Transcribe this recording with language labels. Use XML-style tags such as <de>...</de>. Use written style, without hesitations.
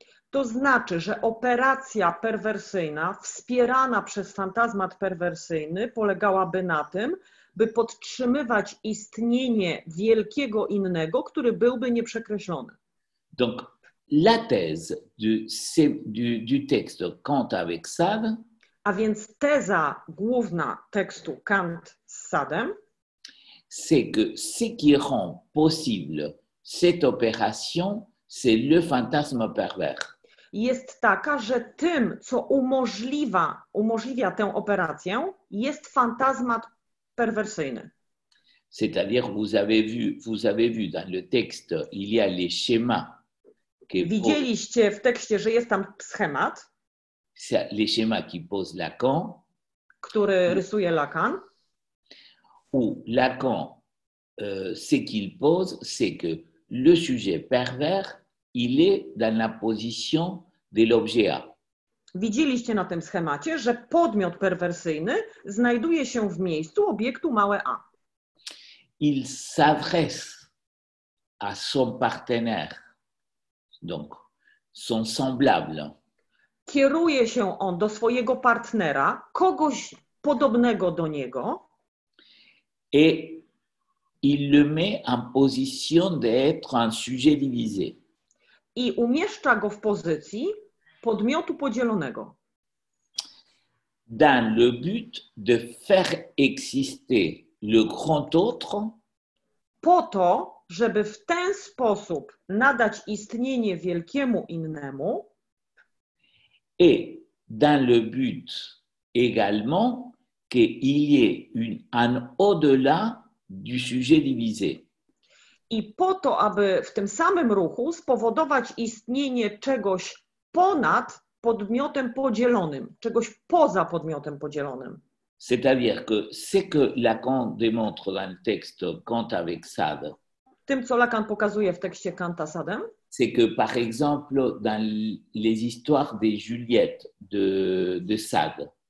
<pl>To znaczy, że operacja perwersyjna, wspierana przez fantazmat perwersyjny, polegałaby na tym, by podtrzymywać istnienie wielkiego innego, który byłby nieprzekreślony.</pl> <fr>Donc, la thèse du texte Kant avec Sade.</fr> <pl>A więc teza główna tekstu Kant z Sadem.</pl> <fr>C'est que ce qui rend possible cette opération, c'est le fantasme pervers.</fr> <pl>Jest taka, że tym, co umożliwia tę operację, jest fantazmat perwersyjny.</pl> <fr>C'est-à-dire, vous avez vu dans le texte, il y a les schémas.</fr> <pl>Widzieliście w tekście, że jest tam schemat.</pl> <fr>Les schémas qui pose Lacan.</fr> <pl>Który rysuje Lacan.</pl> <fr>Où Lacan, ce qu'il pose, c'est que le sujet pervers, il est dans la position de l'objet A.</fr> <pl>Widzieliście na tym schemacie, że podmiot perwersyjny znajduje się w miejscu obiektu małe A.</pl> <fr>Il s'adresse à son partenaire, donc son semblable.</fr> <pl>Kieruje się on do swojego partnera, kogoś podobnego do niego.</pl> <fr>Et il le met en position d'être un sujet divisé.</fr> <pl>I umieszcza go w pozycji podmiotu podzielonego.</pl> <fr>Dans le but de faire exister le grand autre.</fr> <pl>Po to, żeby w ten sposób nadać istnienie wielkiemu innemu.</pl> <fr>Et dans le but également qu'il y ait un au-delà du sujet divisé.</fr> <pl>I po to, aby w tym samym ruchu spowodować istnienie czegoś ponad podmiotem podzielonym, czegoś poza podmiotem podzielonym.</pl> <fr>C'est-à-dire que ce que Lacan démontre dans le texte Kant avec Sade.</fr> <pl>Tym, co Lacan pokazuje w tekście Kanta Sadem.</pl> <fr>C'est que par exemple dans les histoires de Juliette de Sade.</fr>